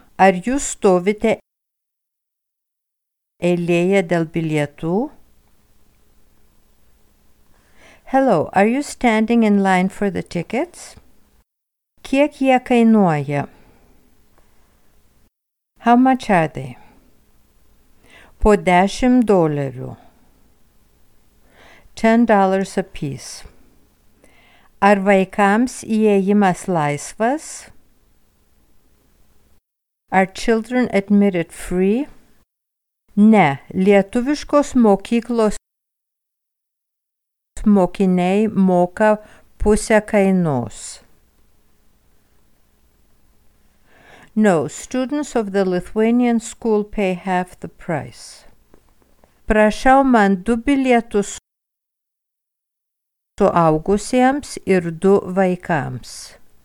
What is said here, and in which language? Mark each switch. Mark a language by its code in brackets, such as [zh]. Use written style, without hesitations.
[lt] Ar jūs stovite eilėje dėl bilietų? [en] Hello, are you standing in line for the tickets? [lt] Kiek jie kainuoja? [en] How much are they? [lt] Po $10. [en] $10 a piece. [lt] Ar vaikams įėjimas laisvas? [en] Are children admitted free? [lt] Ne, lietuviškos mokyklos mokiniai moka pusę kainos. [en] No, students of the Lithuanian school pay half the price. [lt] Prašau man du bilietus suaugusiems ir du vaikams.